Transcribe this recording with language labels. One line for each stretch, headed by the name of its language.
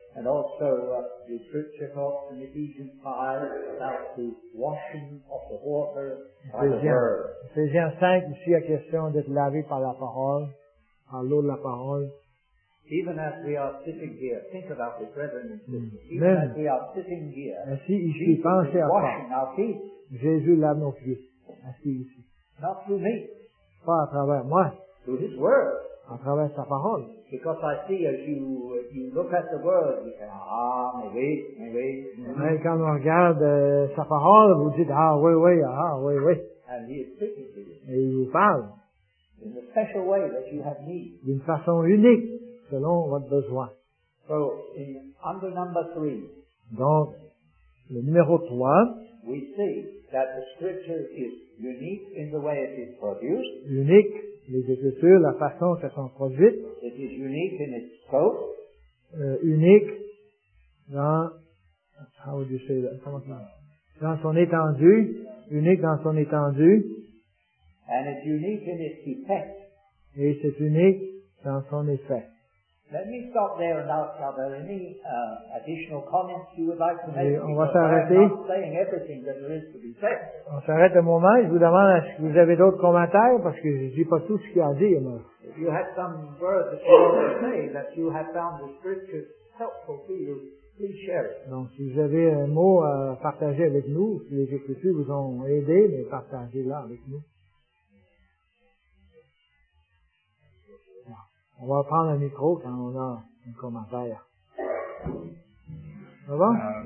English: And also, the scripture talks in Ephesians 5 about the washing of the water by the word.
French: Ephesians 5, ici, la question d'être lavé par la parole, par l'eau de la parole.
English: Even as we are sitting here, think about the brethren and sisters. Even as we are sitting here,
French: ainsi, ici, pensez à quoi? Jésus lave nos pieds. Assis ici.
English: Not through me.
French: Pas à travers moi.
English: Through his word.
French: À travers sa parole.
English: Because I see as you look at the word, you say, maybe.
French: Mais quand on regarde sa parole, vous dites, oui.
English: And he is speaking to you.
French: Et il vous parle.
English: In a special way that you have need.
French: D'une façon unique. Selon votre besoin.
English: So, in under number three,
French: donc, le numéro 3,
English: we see that the scripture is unique in the way it is produced.
French: Unique, les écritures, la façon qu'elles sont produites.
English: It is unique in its scope.
French: Unique dans,
English: how would you say that?
French: Comment ça? Dans son étendue. Unique dans son étendue.
English: And it's unique in its effect.
French: Et c'est unique dans son effet.
English: Let me stop there and ask, are there any additional comments you would like to make?
French: Et on va s'arrêter.
English: I'm not saying everything that there is to be said.
French: On s'arrête un moment. Je vous demande si vous avez d'autres commentaires parce que je ne dis pas tout ce qu'il y a à dire. Moi.
English: If you had some words that you want to say that you have found the scriptures helpful to you, please share it.
French: Donc, si vous avez un mot à partager avec nous, si les écritures vous ont aidé, mais partagez-la avec nous. On va prendre un micro quand on a un commentaire. Ça va?